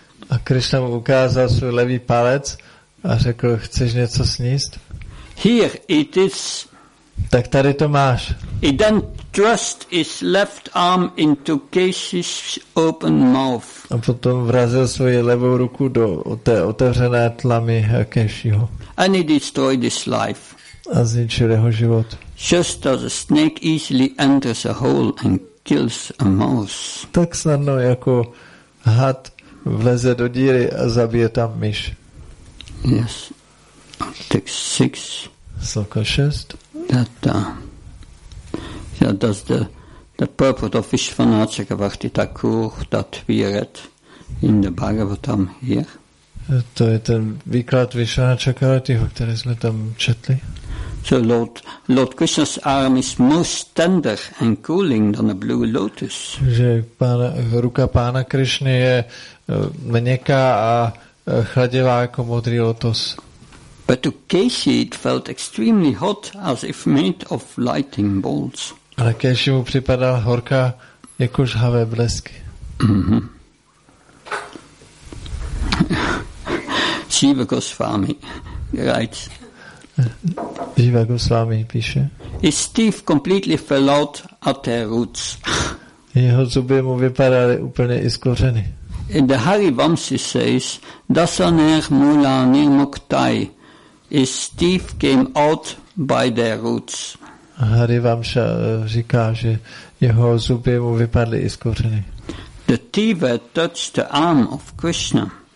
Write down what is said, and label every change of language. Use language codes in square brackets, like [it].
[cs] A Krishna mu ukázal svůj levý palec a řekl, chceš něco sníst? [en] Here it is. [cs] Tak tady to máš. [en] He then thrust his left arm into Keshi's open mouth. [cs] A potom vrazil svoji levou ruku do té otevřené tlamy Keshiho. [en] And he destroyed his life. [cs] A zničil jeho život. [en] Just as a snake easily enters a hole and kills a mouse. [cs] Tak snadno jako had vleze do díry a zabije tam myš. [en] Yes. Text 6. [cs] Sloka 6. [en] That's the purpose of Vishvanatha Chakravarti Thakur that we read in the Bhagavatam here. [cs] To je ten výklad Vishvanatha Chakravarti, který jsme tam četli. [en] So Lord Krishna's arm is most tender and cooling than a blue lotus. [cs] Že ruka pána Krishny je měkká a chladivá jako modrý lotos. [en] But to Keshi it felt extremely hot, as if made of lightning bolts. [cs] Ale Keshi mu připadala horká, jako žhavé blesky. Mm-hmm. [en] Jiva Goswami writes. [cs] Jiva Goswami píše. [en] His teeth completely fell out at their roots. [cs] Jeho zuby mu vypadaly úplně i z kořeny. [en] And the Hari Vamsi says, Dasaner Mula Nirmuktai. His teeth came out by their roots. [cs] Hari Vamsa říká, že jeho zuby mu vypadly i z kořeny. [en] The teeth touched the arm of Krishna.